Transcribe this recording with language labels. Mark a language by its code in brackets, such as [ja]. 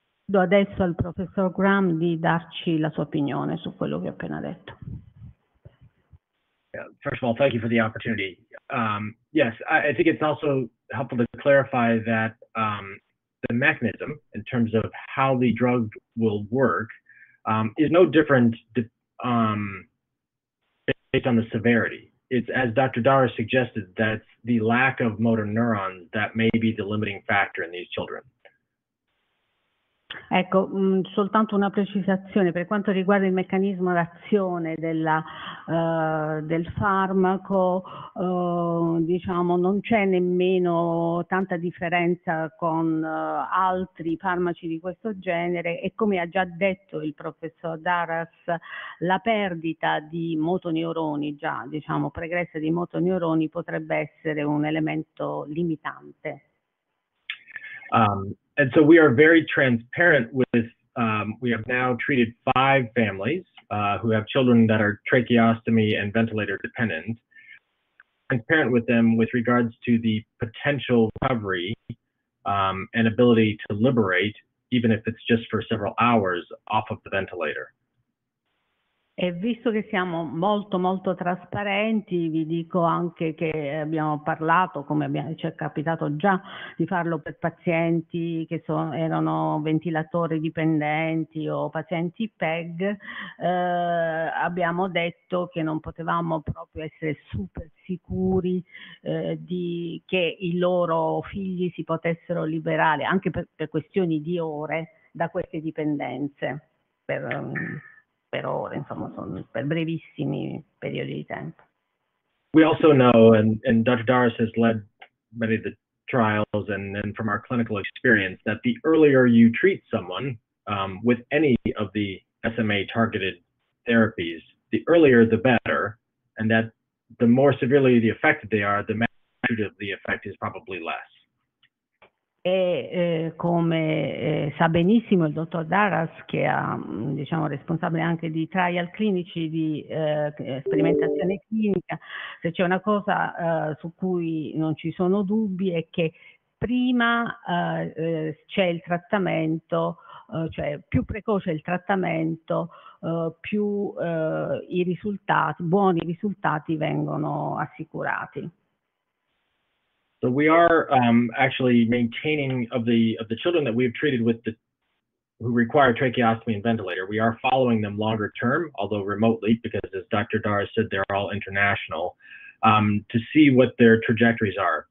[it] Do adesso al professor Graham di darci la sua opinione su quello che ho appena detto. [en] First of all, thank you for the opportunity. Yes, I think it's also helpful to clarify that the mechanism in terms of how the drug will work is no different based on the severity. It's, as Dr. Dara suggested, that the lack of motor neurons that may be the limiting factor in these children. [it] Ecco, soltanto una precisazione per quanto riguarda il meccanismo d'azione del farmaco, diciamo non c'è nemmeno tanta differenza con altri farmaci di questo genere e come ha già detto il professor Daras, la perdita di motoneuroni, già diciamo pregressa di motoneuroni, potrebbe essere un elemento limitante. [en] And so we are very transparent with, we have now treated 5 families who have children that are tracheostomy and ventilator dependent, transparent with them with regards to the potential recovery and ability to liberate, even if it's just for several hours, off of the ventilator. [it] E visto che siamo molto molto trasparenti, vi dico anche che abbiamo parlato, come ci è capitato già di farlo per pazienti che erano ventilatori dipendenti o pazienti PEG, abbiamo detto che non potevamo proprio essere super sicuri di che i loro figli si potessero liberare, anche per questioni di ore, da queste dipendenze. Per ore, insomma, sono per brevissimi periodi di tempo. [en] We also know, and Dr. Daras has led many of the trials, and from our clinical experience, that the earlier you treat someone with any of the SMA-targeted therapies, the earlier the better, and that the more severely the affected they are, the magnitude of the effect is probably less. [it] E come sa benissimo il dottor Daras, che è diciamo responsabile anche di trial clinici, di sperimentazione clinica, se c'è una cosa su cui non ci sono dubbi è che prima c'è il trattamento, cioè più precoce il trattamento, più i risultati, buoni risultati vengono assicurati. [en] So we are actually maintaining of the children that we have treated with the who require tracheostomy and ventilator, we are following them longer term, although remotely, because as Dr. Daras said, they're all international, to see what their trajectories are.